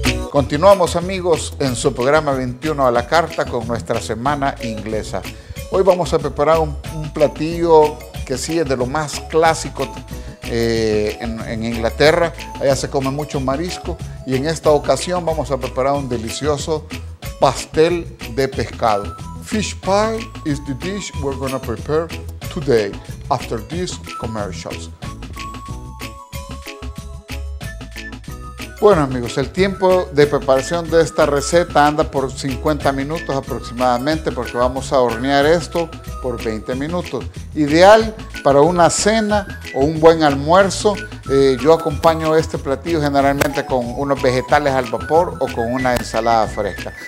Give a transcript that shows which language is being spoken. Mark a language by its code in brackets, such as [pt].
[es] Continuamos, amigos, en su programa 21 a la carta con nuestra semana inglesa. Hoy vamos a preparar un platillo que sí es de lo más clásico en Inglaterra. Allá se come mucho marisco y en esta ocasión vamos a preparar un delicioso pastel de pescado. [en] Fish pie is the dish we're going to prepare today after these commercials. [es] Bueno, amigos, el tiempo de preparación de esta receta anda por 50 minutos aproximadamente, porque vamos a hornear esto por 20 minutos. Ideal para una cena o un buen almuerzo. Yo acompaño este platillo generalmente con unos vegetales al vapor o con una ensalada fresca.